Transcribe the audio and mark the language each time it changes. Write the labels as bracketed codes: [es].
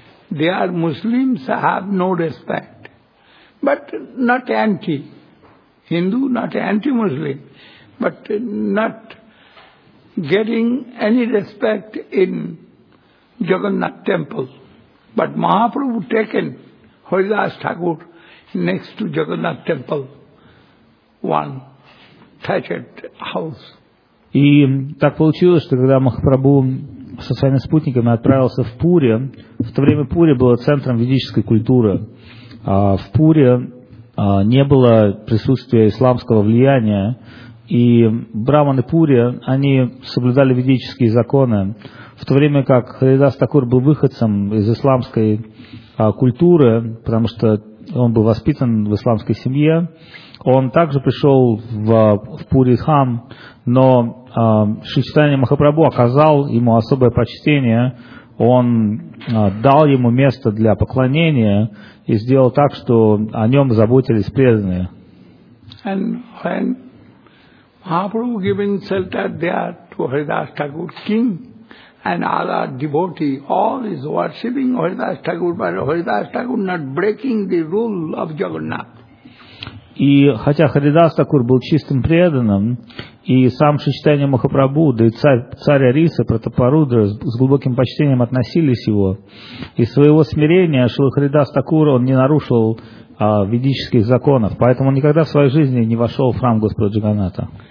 [en] There Muslims have no respect, but not anti-Hindu, not anti-Muslim, but not getting any respect in Jagannath temple. But Mahaprabhu taken Haridas Thakur next to Jagannath temple, one thatched house. [ru] И так получилось, что когда Махапрабху со своими спутниками отправился в Пури, в то время Пури было центром ведической культуры, в Пуре не было присутствия исламского влияния, и браманы Пури, они соблюдали ведические законы, в то время как Харидас Такур был выходцем из исламской культуры, потому что он был воспитан в исламской семье. Он также пришел в Пури-Дхам, но Шри Чайтанья Махапрабху оказал ему особое почтение. Он дал ему место для поклонения и сделал так, что о нем заботились преданные. [en] And when Mahaprabhu given shelter there to Haridas Thakur, king and other devotee, all is worshipping Haridas Thakur, but Haridas Thakur not breaking the rule of Jagannath. [ru] И хотя Харидас Такур был чистым преданным, и сам Шри Чайтанья Махапрабху, да и царь Ариса, Пратапарудра с глубоким почтением относились его, из своего смирения Шри Харидас Такур он не нарушил ведических законов, поэтому он никогда в своей жизни не вошел в храм Господа Джаганната.